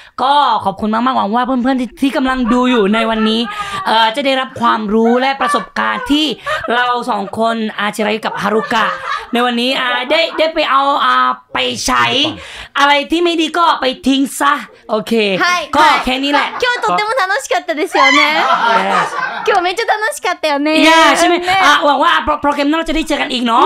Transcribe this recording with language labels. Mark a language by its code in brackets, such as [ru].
[th] ก็ขอบคุณมากๆหวังว่าเพื่อนๆที่กำลังดูอยู่ในวันนี้จะได้รับความรู้และประสบการณ์ที่เราสองคนอาชิระกับฮารุกะในวันนี้ได้ไปเอาไปใช้อะไรที่ไม่ดีก็ไปทิ้งซะโอเคก็แค่นี้แหละ [ja] 今日とても楽しかったですよね今日めっちゃ楽しかったよね [th] いやใช่ไหมหวังว่าโปรแกรมเราจะได้เจอกันอีกเนาะ